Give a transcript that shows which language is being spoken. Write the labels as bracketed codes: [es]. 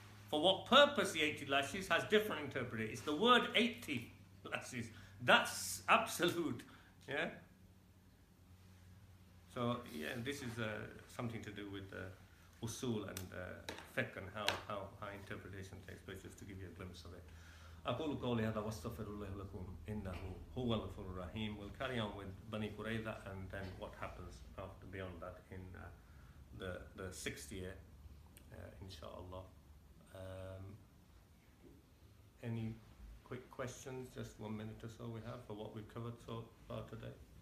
[en] For what purpose the 80 lashes has different interpretation. It's the word 80 lashes. That's absolute. Yeah. So yeah, this is something to do with the usul and fiqh and how interpretation takes place, just to give you a glimpse of it. [ar] أقول قولي هذا واستغفر الله لكم إنه هو الغفور الرحيم. [en] We'll carry on with Bani Qurayza and then what happens after beyond that in the sixth year, inshallah. Any quick questions? Just 1 minute or so we have for what we've covered so far today.